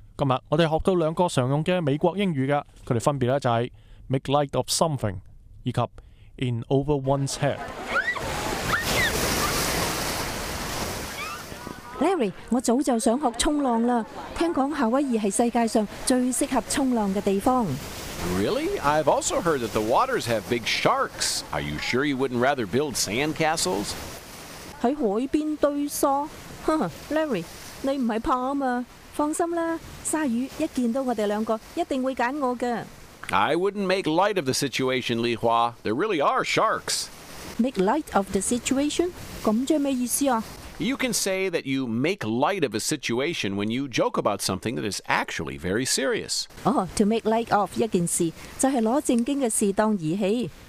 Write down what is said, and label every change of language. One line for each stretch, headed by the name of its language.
Chinese: 今天我们学到两个常用的美国英语，他们分别就是
English: make light of something
Chinese: 以及
English: in over one's head。
Chinese: Larry， 我早就想学冲浪了，听说夏威夷是世界上最适合冲浪的地方。
English: Really? I've also heard that the waters have big sharks. Are you sure you wouldn't rather build sand castles?
Chinese: 在海边堆沙？Larry， 你不是怕吗？放心啦，鲨鱼一见到我们两个一定会选我的。
English: I wouldn't make light of the situation, Li Hua. There really are sharks. Make light of the situation?
Chinese: 这是什么意思啊？
English: You can say that you make light of a situation when you joke about something that is actually very serious. Oh, to make light of
Chinese: 一件事，就是拿正经的事当儿戏。